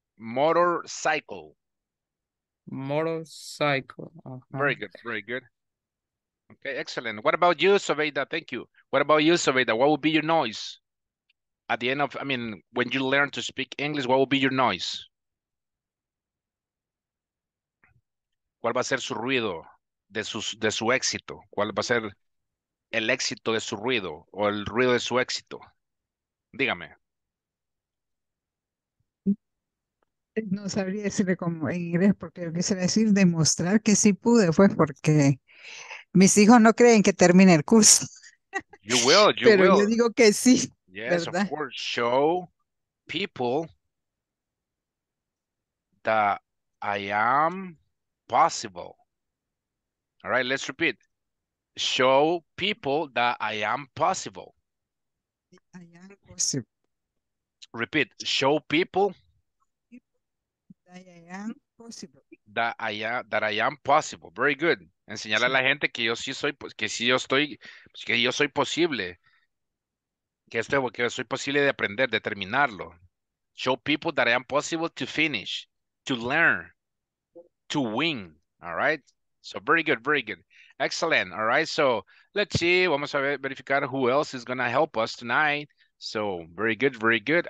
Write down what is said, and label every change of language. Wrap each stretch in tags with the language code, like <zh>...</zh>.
<en>Motorcycle. Motorcycle. Very good. Very good. Okay, excellent. What about you, Soveida? Thank you. What about you, Soveida? What would be your noise at the end of, I mean, when you learn to speak English, what would be your noise?</en> <es>¿Cuál va a ser su ruido de su éxito? ¿Cuál va a ser el éxito de su ruido o el ruido de su éxito? Dígame. No sabría decirle como en inglés porque lo quisiera decir, demostrar que sí pude, fue porque mis hijos no creen que termine el curso.</es> <en>You will, you</en> <es>Pero</es> <en>will.</en> <es>Yo digo que sí,</es> <en>yes,</en> <es>¿verdad?</es> <en>Of course, show people that I am possible. All right, let's repeat. Show people that I am possible. I am possible. Repeat. Show people that I am possible. That I am possible. Very good.</en> <es>Enseñale sí. A la gente que yo sí soy, que sí yo estoy, que yo soy posible. Que soy posible de aprender, de terminarlo.</es> <en>Show people that I am possible to finish, to learn, to win. All right. So very good, very good. Excellent. All right. So let's see.</en> <es>Vamos a verificar</es> <en>who else is going to help us tonight. So very good, very good.</en>